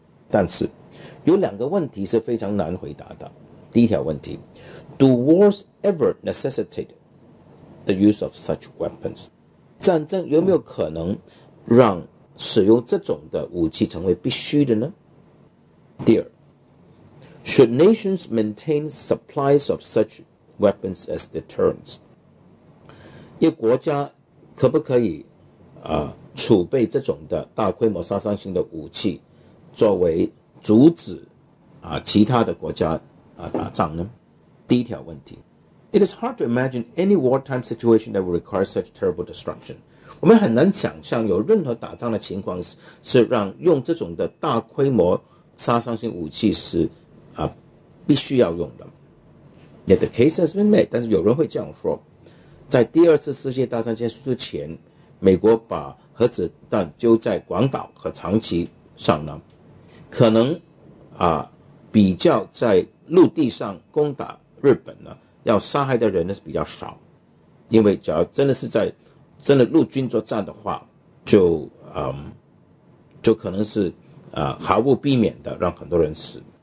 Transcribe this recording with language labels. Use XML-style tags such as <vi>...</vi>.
<zh>但是有两个问题是非常难回答的。第一条问题，</zh> <en>Do wars ever necessitate the use of such weapons？</en> <zh>战争有没有可能让使用这种的武器成为必须的呢？第二，</zh> <en>Should nations maintain supplies of such weapons as deterrents？</en> <zh>一个国家可不可以储备这种的大规模杀伤性的武器作为阻止其他的国家打仗呢？第一条问题，</zh> <en>It is hard to imagine any wartime situation that would require such terrible destruction。</en> <zh>我们很难想象有任何打仗的情况是让用这种的大规模杀伤性武器是必须要用的。</zh> <en>Yet the case has been made，</en> <zh>但是有人会这样说，在第二次世界大战结束之前，美国把核子弹丢在广岛和长崎上呢，可能比较在陆地上攻打日本呢，要杀害的人呢是比较少，因为只要真的是在真的陆军作战的话，就可能是毫无避免的让很多人死。</zh>